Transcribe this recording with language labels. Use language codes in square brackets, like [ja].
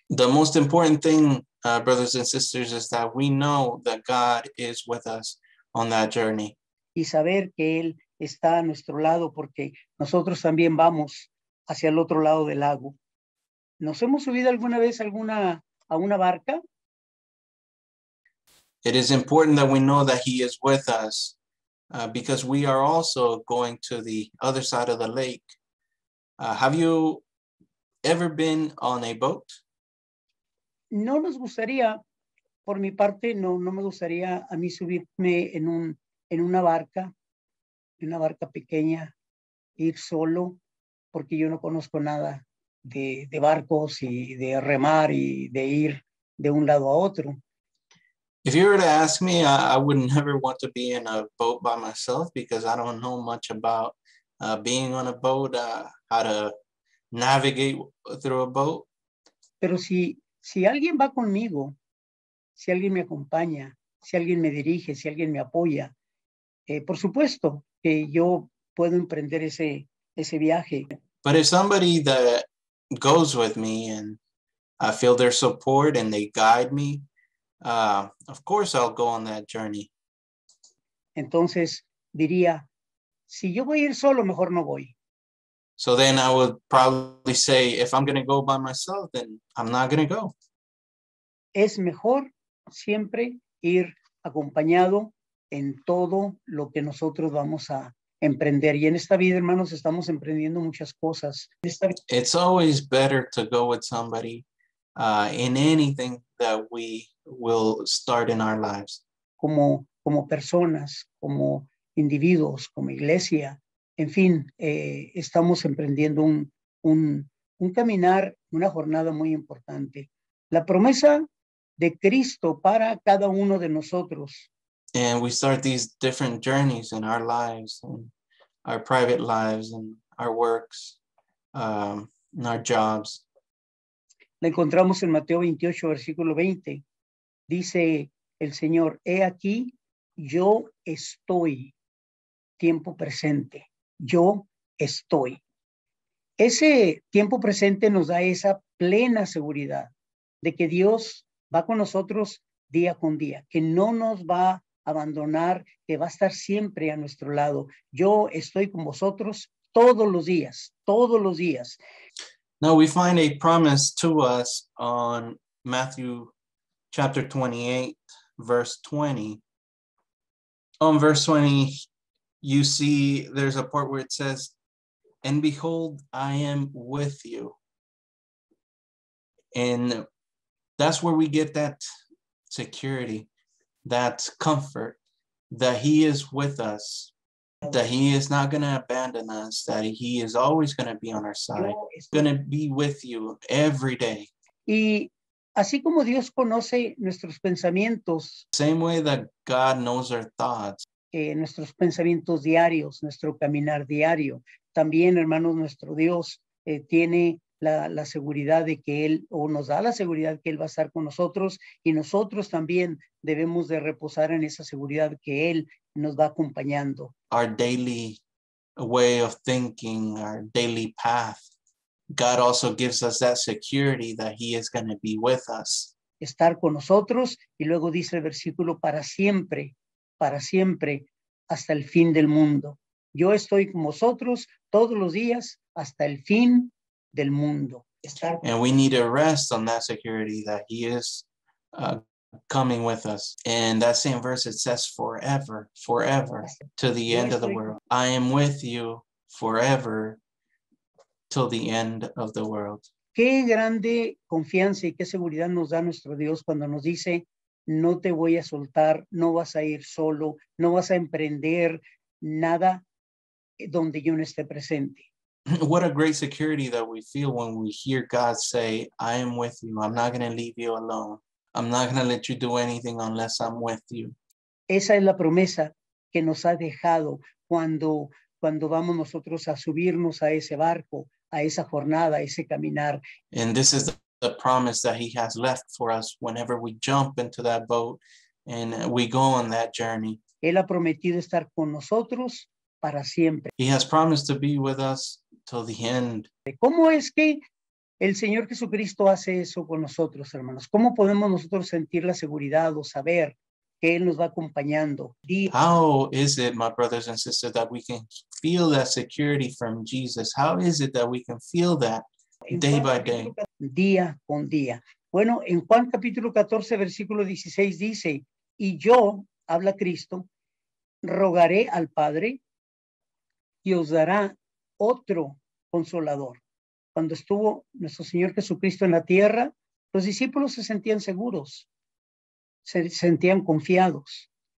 [en] The most important thing, brothers and sisters, is that we know that God is with us on that journey. [es] Y saber que Él está a nuestro lado porque nosotros también vamos hacia el otro lado del lago. ¿Nos hemos subido alguna vez a una barca? [en] It is important that we know that He is with us. Because we are also going to the other side of the lake. Have you ever been on a boat? [es] No nos gustaría, por mi parte, no me gustaría a mí subirme en una barca pequeña, ir solo, porque yo no conozco nada de barcos y de remar y de ir de un lado a otro. [en] If you were to ask me, I would never want to be in a boat by myself because I don't know much about being on a boat, how to navigate through a boat. [es] Pero si alguien va conmigo, si alguien me acompaña, si alguien me dirige, si alguien me apoya, por supuesto que yo puedo emprender ese viaje. [en] But if somebody that goes with me and I feel their support and they guide me, of course I'll go on that journey. [es] Entonces diría, si yo voy a ir solo, mejor no voy. [en] So then I would probably say, if I'm going to go by myself, then I'm not going to go. [es] Es mejor siempre ir acompañado en todo lo que nosotros vamos a emprender. Y en esta vida, hermanos, estamos emprendiendo muchas cosas. [en] It's always better to go with somebody in anything that we will start in our lives. [es] Como personas, como individuos, como iglesia. En fin, estamos emprendiendo un caminar, una jornada muy importante. La promesa de Cristo para cada uno de nosotros. [en] And we start these different journeys in our lives, and our private lives, and our works, and our jobs. [es] La encontramos en Mateo 28, versículo 20. Dice el Señor, he aquí, yo estoy, tiempo presente, yo estoy. Ese tiempo presente nos da esa plena seguridad de que Dios va con nosotros día con día, que no nos va a abandonar, que va a estar siempre a nuestro lado. Yo estoy con vosotros todos los días, todos los días. [en] Now we find a promise to us on Matthew chapter 28, verse 20. On verse 20, you see there's a part where it says, and behold, I am with you. And that's where we get that security, that comfort, that He is with us, that He is not going to abandon us, that He is always going to be on our side, going to be with you every day. [es] Y así como Dios conoce nuestros pensamientos, [en] same way that God knows our thoughts, [es] nuestros pensamientos diarios, nuestro caminar diario, también, hermanos, nuestro Dios tiene la seguridad de que Él, o nos da la seguridad que Él va a estar con nosotros, y nosotros también debemos de reposar en esa seguridad que Él nos va acompañando. [en] Our daily way of thinking, our daily path, God also gives us that security that He is going to be with us. [es] Estar con nosotros, y luego dice el versículo, para siempre, hasta el fin del mundo. yo estoy con vosotros todos los días hasta el fin del mundo. [en] And we need to rest on that security that he is coming with us. And that same verse, it says forever, forever, to the end of the world. I am with you forever, till the end of the world. [es] Qué grande confianza y qué seguridad nos da nuestro Dios cuando nos dice, no te voy a soltar, no vas a ir solo, no vas a emprender nada donde yo no esté presente. [en] What a great security that we feel when we hear God say, I am with you. I'm not going to leave you alone. I'm not going to let you do anything unless I'm with you. [es] Esa es la promesa que nos ha dejado cuando vamos nosotros a subirnos a ese barco, a esa jornada, a ese caminar. [en] And this is the promise that he has left for us whenever we jump into that boat and we go on that journey. [es] Él ha prometido estar con nosotros para siempre. [en] He has promised to be with us till the end. [es] ¿Cómo es que el Señor Jesucristo hace eso con nosotros, hermanos? ¿Cómo podemos nosotros sentir la seguridad o saber que Él nos va acompañando? [en] How is it, my brothers and sisters, that we can feel that security from Jesus? How is it that we can feel that day by day? [es] Día con día. Bueno, en Juan capítulo 14, versículo 16 dice, y yo, habla Cristo, rogaré al Padre y os dará otro consolador. Cuando estuvo nuestro Señor Jesucristo en la tierra, los discípulos se sentían seguros, se sentían confiados.